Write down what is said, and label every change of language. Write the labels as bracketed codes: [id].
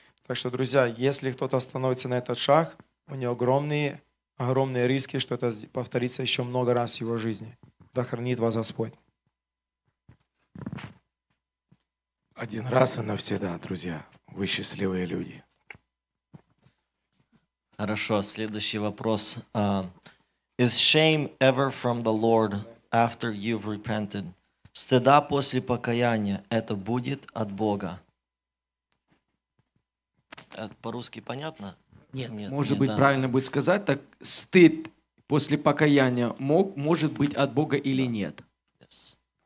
[ru] Так что, друзья, если кто-то становится на этот шаг, у него огромные риски, что это повторится еще много раз в его жизни. Да хранит вас Господь. Один раз и навсегда, друзья. Вы счастливые люди. Хорошо, следующий вопрос. [en] Is shame ever from the Lord after you've repented? [ru] Стыда после покаяния, это будет от Бога? Это по-русски понятно? Нет. Может нет, быть, да. Правильно будет сказать, так стыд после покаяния может быть от Бога или нет? [en] Yes.